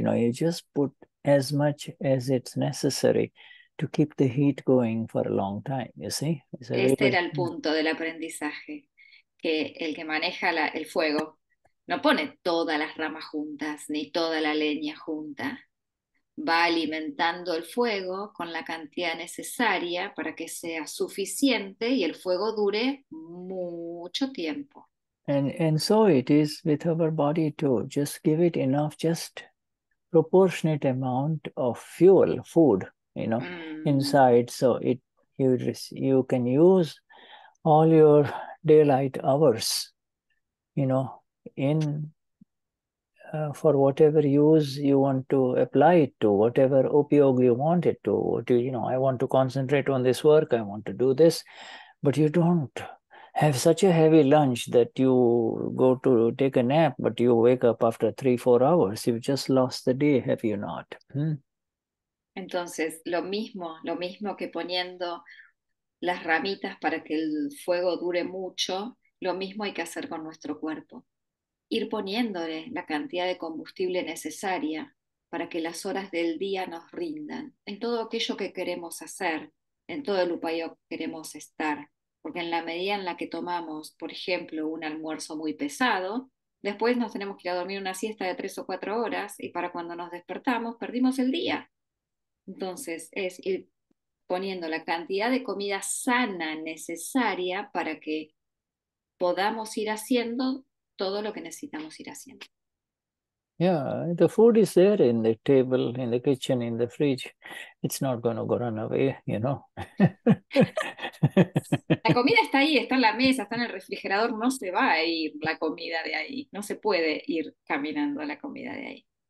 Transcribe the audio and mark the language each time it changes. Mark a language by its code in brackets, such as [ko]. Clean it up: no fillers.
[en] You know, you just put as much as it's necessary to keep the heat going for a long time, you see? [es] Este [en] little... [es] era el punto del aprendizaje, que el que maneja el fuego no pone todas las ramas juntas ni toda la leña junta. Va alimentando el fuego con la cantidad necesaria para que sea suficiente y el fuego dure mucho tiempo. [en] And so it is with our body too. Just give it enough, just proportionate amount of fuel, food, you know, inside, so it you can use all your daylight hours, you know, in. For whatever use you want to apply it to, whatever upyog you want it to, you know, I want to concentrate on this work, I want to do this, but you don't have such a heavy lunch that you go to take a nap, but you wake up after 3-4 hours. You've just lost the day, have you not? [es] Entonces, lo mismo que poniendo las ramitas para que el fuego dure mucho, lo mismo hay que hacer con nuestro cuerpo. Ir poniéndole la cantidad de combustible necesaria para que las horas del día nos rindan en todo aquello que queremos hacer, en todo el upayog que queremos estar. Porque en la medida en la que tomamos, por ejemplo, un almuerzo muy pesado, después nos tenemos que ir a dormir una siesta de 3 o 4 horas y para cuando nos despertamos perdimos el día. Entonces es ir poniendo la cantidad de comida sana necesaria para que podamos ir haciendo todo lo que necesitamos ir haciendo. [en] Yeah, the food is there in the table, in the kitchen, in the fridge. It's not going to go run away, you know. [es] La comida está ahí, está en la mesa, está en el refrigerador. No se va a ir la comida de ahí. No se puede ir caminando la comida de ahí.